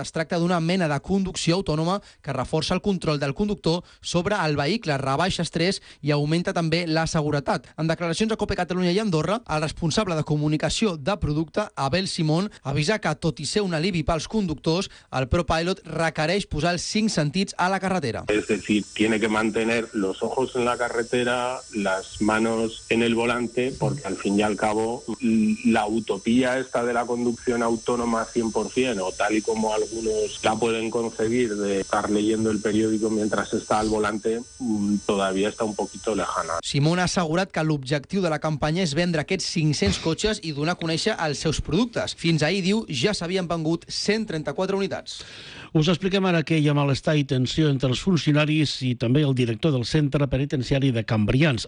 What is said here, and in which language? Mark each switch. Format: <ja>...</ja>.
<ca>Es tracta d'una mena de conducció autònoma que reforça el control del conductor sobre el vehicle, rebaixa estrès i augmenta també la seguretat. En declaracions a COPE Catalunya i Andorra, el responsable de comunicació de producte, Abel Simón, avisa que, tot i ser un alivi pels conductors, el ProPilot requereix posar els cinc sentits a la carretera.</ca> <es>Es decir, tiene que mantener los ojos en la carretera, las manos en el volante, porque al fin y al cabo la utopía esta de la conducción autónoma 100%, o tal y como algunos la pueden concebir de estar leyendo el periódico mientras está al volante, todavía está un poquito lejana.</es> <ca>Simón ha assegurat que l'objectiu de la campanya és vendre aquests 500 cotxes i donar a conèixer els seus productes. Fins ahir, diu, ja s'havien vengut 134 unitats. Us expliquem ara que hi ha malestar i tensió entre els funcionaris i també el director del centre penitenciari de Cambrians.</ca>